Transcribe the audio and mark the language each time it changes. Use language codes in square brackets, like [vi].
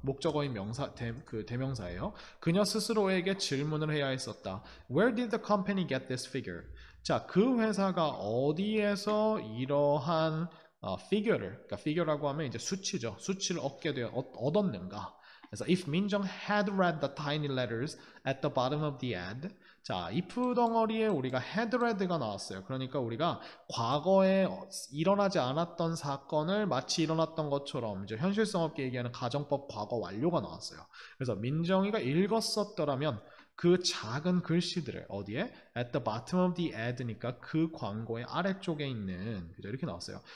[ko] 목적어인 명사, 대명사예요. 그녀 스스로에게 질문을 해야 했었다. [en] Where did the company get this figure? [ko] 자, 그 회사가 어디에서 이러한 figure를, 그러니까 figure라고 하면 이제 수치죠. 수치를 얻게 되어 얻었는가? [en] 그래서 if 민정 had read the tiny letters at the bottom of the ad. [ko] 자, if 덩어리에 우리가 had read가 나왔어요. 그러니까 우리가 과거에 일어나지 않았던 사건을 마치 일어났던 것처럼 이제 현실성 없게 얘기하는 가정법 과거 완료가 나왔어요. 그래서 민정이가 읽었었더라면 그 작은 글씨들을 어디에? [en] At the bottom of the ad [ko] 니까 그 광고의 아래쪽에 있는 그죠? 이렇게 나왔어요.